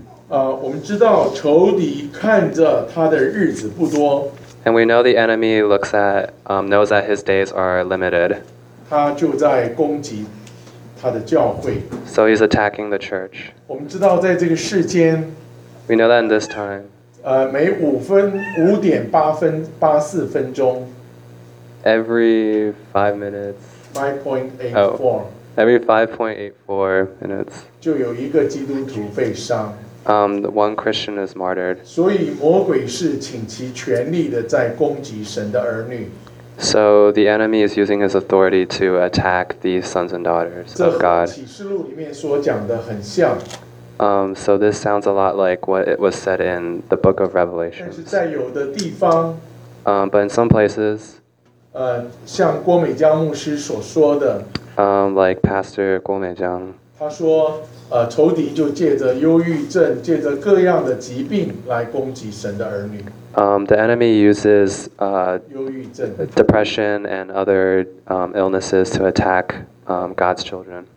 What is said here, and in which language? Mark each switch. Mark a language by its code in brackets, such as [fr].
[zh] 我们知道仇敌看着他的日子不多。 [en] And we know the enemy looks at, knows that his days are limited. [zh] 他就在攻击他的教会。 [en] So he's attacking the church. [zh] 我们知道在这个世间。 [en] We know that in this time. [zh] 每五分五点八分八四分钟。 [en] Every 5 minutes. 5.84. Every 5.84 minutes, [zh] 就有一个基督徒被伤。 [en] One Christian is martyred. [zh] 所以魔鬼是倾其全力的在攻击神的儿女。 [en] So the enemy is using his authority to attack the sons and daughters of God. [zh] 这和启示录里面所讲的很像。 [en] So this sounds a lot like what it was said in the book of Revelation. [zh] 但是在有的地方。 [en] But in some places. [zh] 像郭美江牧师所说的。 [en] Like Pastor 郭美江， [zh] 他说，仇敌就借着忧郁症，借着各样的疾病来攻击神的儿女。 [en] The enemy uses [zh] 忧郁症 [en] depression and other illnesses to attack God's children.